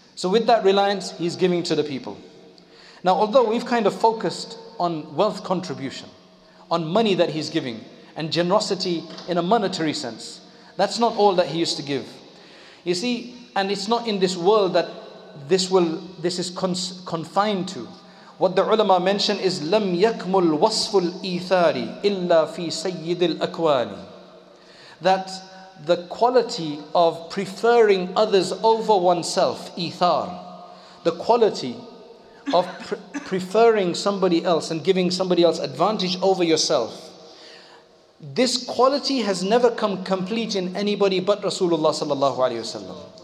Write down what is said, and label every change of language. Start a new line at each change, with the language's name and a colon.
English: So with that reliance, he's giving to the people. Now, although we've kind of focused on wealth contribution, on money that he's giving, and generosity in a monetary sense, that's not all that he used to give. You see, and it's not in this world that this is confined to. What the ulama mention is,
Arabic: لَمْ يَكْمُلْ وَصْفُ الْإِيثَارِ إِلَّا فِي سَيِّدِ الْأَكْوَانِ.
English: That the quality of preferring others over oneself, ithar, the quality of preferring somebody else and giving somebody else advantage over yourself, this quality has never come complete in anybody but Rasulullah sallallahu alaihi wasallam.